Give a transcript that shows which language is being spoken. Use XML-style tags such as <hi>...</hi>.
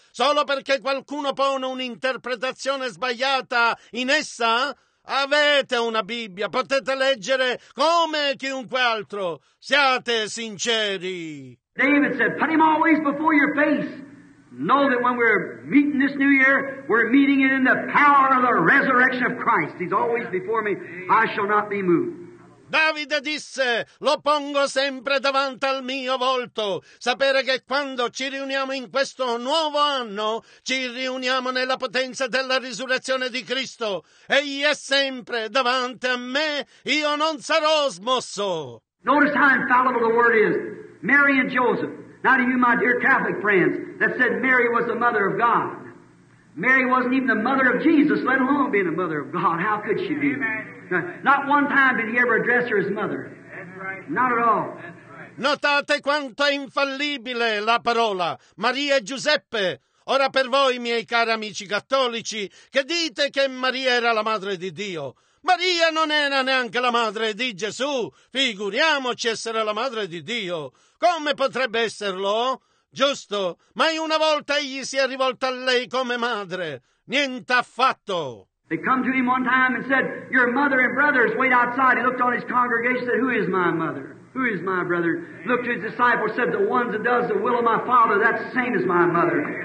<it>Solo perché qualcuno pone un'interpretazione sbagliata in essa? Avete una Bibbia, potete leggere come chiunque altro. Siate sinceri.</it> <en>David said, put him always before your face. Know that when we're meeting this new year, we're meeting it in the power of the resurrection of Christ. He's always before me. I shall not be moved.</en> <it>Davide disse, lo pongo sempre davanti al mio volto. Sapere che quando ci riuniamo in questo nuovo anno, ci riuniamo nella potenza della risurrezione di Cristo. Egli è sempre davanti a me. Io non sarò smosso.</it> <en>Notice how infallible the word is. Mary and Joseph. Now to you, my dear Catholic friends, that said Mary was the mother of God. Mary wasn't even the mother of Jesus, let alone being the mother of God. How could she be? Not one time did he ever address her as mother. Not at all.</en> <it>Notate quanto è infallibile la parola. Maria e Giuseppe. Ora per voi, miei cari amici cattolici, che dite che Maria era la madre di Dio. Maria non era neanche la madre di Gesù. Figuriamoci essere la madre di Dio. Come potrebbe esserlo? Giusto, mai una volta egli si è rivolto a lei come madre. Niente affatto.</it> <en>They come to him one time and said, your mother and brothers wait outside. He looked on his congregation and said, who is my mother? Who is my brother? Looked to his disciples and said, the one that does the will of my father, that's the same as my mother.</en>